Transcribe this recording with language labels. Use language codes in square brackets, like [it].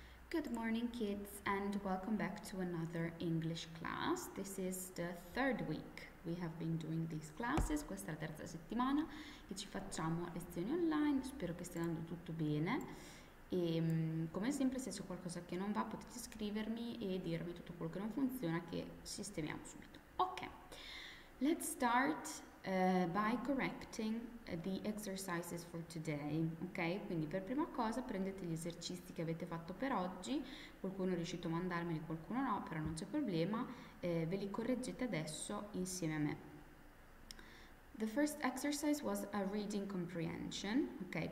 [en] Good morning, kids, and welcome back to another English class. This is the third week we have been doing these classes. [it] Questa è la terza settimana che ci facciamo lezioni online. Spero che stia andando tutto bene. E come sempre, se c'è qualcosa che non va, potete scrivermi e dirmi tutto quello che non funziona, che sistemiamo subito. [en] Ok, let's start by correcting the exercises for today, ok? [it] Quindi per prima cosa prendete gli esercizi che avete fatto per oggi, qualcuno è riuscito a mandarmeli, qualcuno no, però non c'è problema, ve li correggete adesso insieme a me. [en] The first exercise was a reading comprehension, ok?